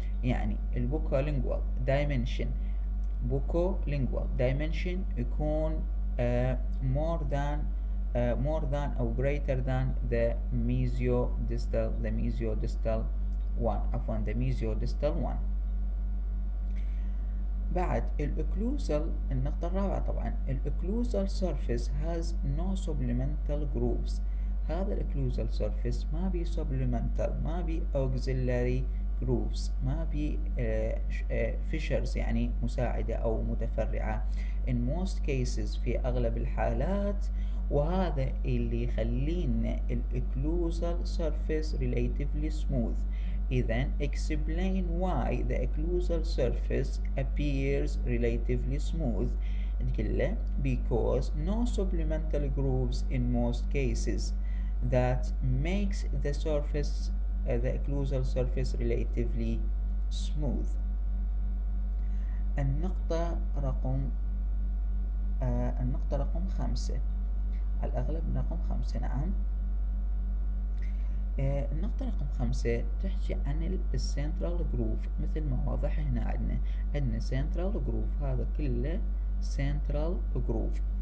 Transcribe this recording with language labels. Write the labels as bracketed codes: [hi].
[ar] يعني البوكولينجوال دايمنشن, بوكولينجوال دايمنشن يكون [en] more than أو greater than the mesiodistal, the mesiodistal one, عفوا the mesiodistal one. [ar] بعد الأكلوزال النقطة الرابعة طبعا الأكلوزال [en] surface has no supplemental grooves. [ar] هذا الأكلوزال surface ما بي supplemental, ما بي [en] auxiliary grooves, [ar] ما بي fissures يعني مساعدة أو متفرعة [en] in most cases [ar] في أغلب الحالات. وهذا اللي يخلينا الأكلوزال [en] surface relatively smooth. إذن explain why the occlusal surface appears relatively smooth. نقله because no supplemental grooves in most cases that makes the surface the occlusal surface relatively smooth. [ar] النقطة رقم النقطة رقم خمسة على الأغلب رقم خمسة نعم النقطة رقم خمسة تحكي عن السنترال جروف مثل ما واضح هنا عندنا عندنا سنترال جروف هذا كله سنترال جروف